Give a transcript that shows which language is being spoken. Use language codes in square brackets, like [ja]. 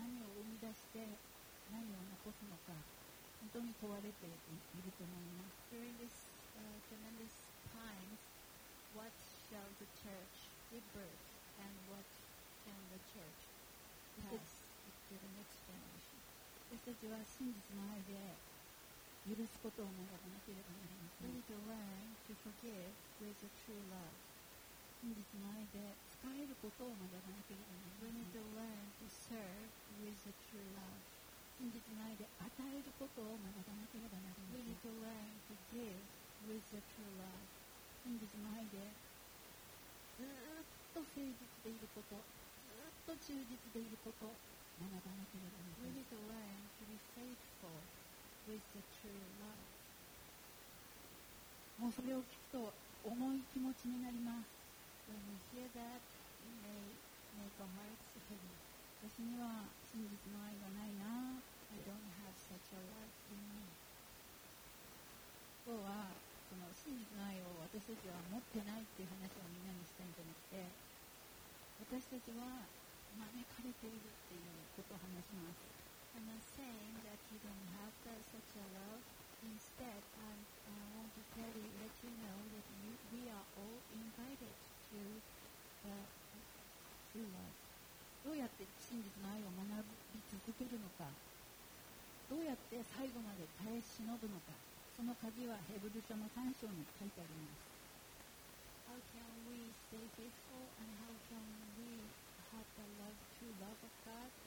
[ja] 残すのか本当に問われていると思います。 [en] During this tremendous time, what shall the church give birth and what can the church pass to the next generation? [ja] 私たちは真実の愛で許すことを学ばなければなりません。 [en] We need to learn to forgive with a true love. [ja] 真実の愛で使えることを学ばなければならない。 [en] We need to learn to serve with a true love. [ja] 真実の愛で与えることを学ばなければならない。 [en] We need to learn to give with a true love. [ja] 真実の愛でずっと誠実でいること、ずっと忠実でいることを学ばなければならない。 [en] We need to learn to be faithful with a true love. [ja] もうそれを聞くと重い気持ちになります。 [en] When you hear that, it may make our hearts heavy. [ja] 私には真実の愛がないな。 [en] I don't have such a love in me. [ja] 今日はその真実の愛を私たちは持ってないっていう話をみんなにしたいんじゃなくて、私たちは招かれているっていうことを話します。 [en] I'm not saying that you don't have that such a love. Instead, I want to tell you, let you know that you, we are all invited. [ja] どうやって真実の愛を学び続けるのか、どうやって最後まで耐え忍ぶのか、その鍵はヘブル書の3章に書いてあります。 [en] How can we stay faithful and how can we have the love to love of God?